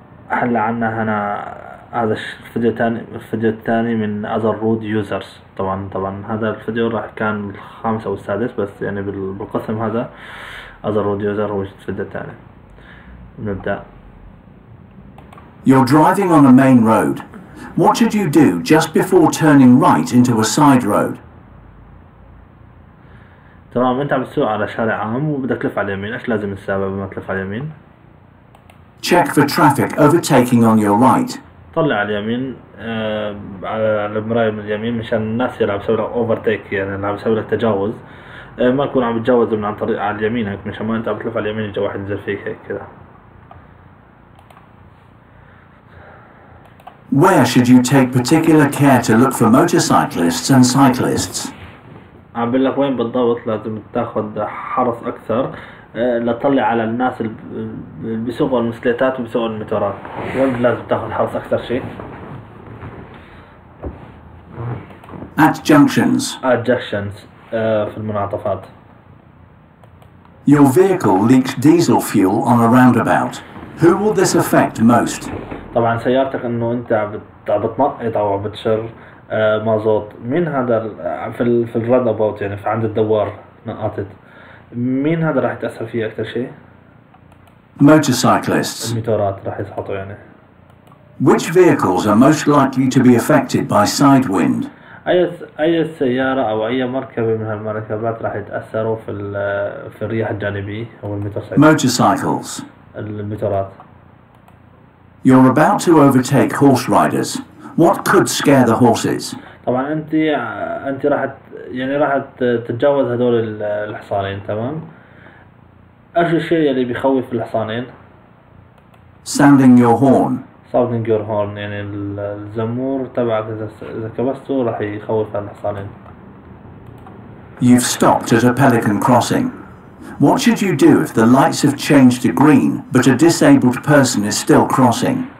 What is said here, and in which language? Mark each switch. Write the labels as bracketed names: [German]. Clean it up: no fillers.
[Arabic] حل عنا هنا هذا الفيديو الثاني، الفيديو الثاني من أذر رود يوزرز. طبعا هذا الفيديو راح كان الخامس أو السادس، بس يعني بالقسم هذا أذر رود يوزر هو الفيديو الثاني. نبدأ. [English] You're driving on a main road. What should you do just before turning right into a side road? [Arabic] تمام، انت عم تسوق على شارع عام وبدك تلف على اليمين، ايش لازم تسوي قبل ما تلف على اليمين؟ [English] Check for traffic overtaking on your right. [Arabic] طلع على اليمين على المراية من اليمين مشان الناس اللي عم تسوي لك اوفرتيك، يعني اللي عم تسوي لك تجاوز، ما تكون عم تتجاوز من عن طريق على يمينك، مشان ما انت عم تلف على اليمين يجي واحد ينزل فيك هيك كذا. [English] Where should you take particular care to look for motorcyclists and cyclists? [Arabic] عم بقول لك وين بالضبط لازم تاخذ حرص اكثر لتطلع على الناس اللي بيسوقوا المسليتات وبيسوقوا الموتورات، وين لازم تاخذ حرص اكثر شيء؟ [English] At junctions. At junctions [Arabic] في المنعطفات. [English] Your vehicle leaks diesel fuel on a roundabout. Who will this affect most? [Arabic] طبعا سيارتك انه انت عم بتنقط او عم بتشر مازوت، مين هذا في الراد اباوت يعني في عند الدوار نقطت، مين هذا راح يتاثر فيه اكثر شيء؟ [English] motorcyclists. [Arabic] الموتورات راح يسقطوا يعني. [English] Which vehicles are most likely to be affected by side wind? [Arabic] اي سياره او اي مركبه من هالمركبات راح يتاثروا في الرياح الجانبيه او الموتورسايكل؟ [English] motorcycles. [Arabic] الموتورات. [English] You're about to overtake horse riders. What could scare the horses? [Arabic] طبعا انت راح يعني راح تتجاوز هذول الحصانين، تمام؟ ايش الشيء اللي بيخوف الحصانين؟ [English] Sounding your horn. Sounding your horn [Arabic] يعني الزمور تبعك اذا كبسته راح يخوف الحصانين. [English] You've stopped at a pelican crossing. What should you do if the lights have changed to green but a disabled person is still crossing?